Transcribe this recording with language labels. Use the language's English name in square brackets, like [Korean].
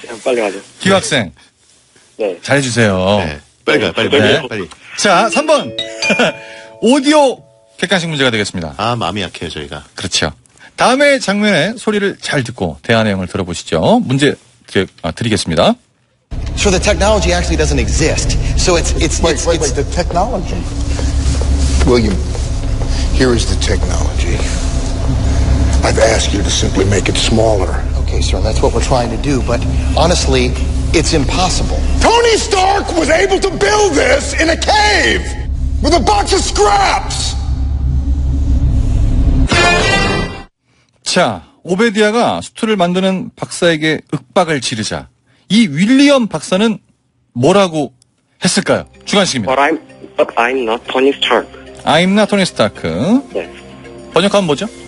[Korean] 빨리 가죠. 기학생. 네. 잘해주세요. 네. 빨리 가요. 빨리, 빨리. 네. 빨리. 자, 3번. 오디오 객관식 문제가 되겠습니다. 마음이 약해요, 저희가. 그렇죠. 다음의 장면에 소리를 잘 듣고 대화 내용을 들어보시죠. 문제 드리겠습니다. [English] So the technology actually doesn't exist. So it's the technology. William, here is the technology. I've asked you to simply make it smaller. Okay, sir, that's what we're trying to do, but honestly, it's impossible. Tony Stark was able to build this in a cave with a box of scraps! [Korean] 자, 오베디아가 수트를 만드는 박사에게 윽박을 지르자 이 윌리엄 박사는 뭐라고 했을까요? 중간식입니다. [English] But I'm not Tony Stark. I'm not Tony Stark. [Korean] 네. 번역하면 뭐죠?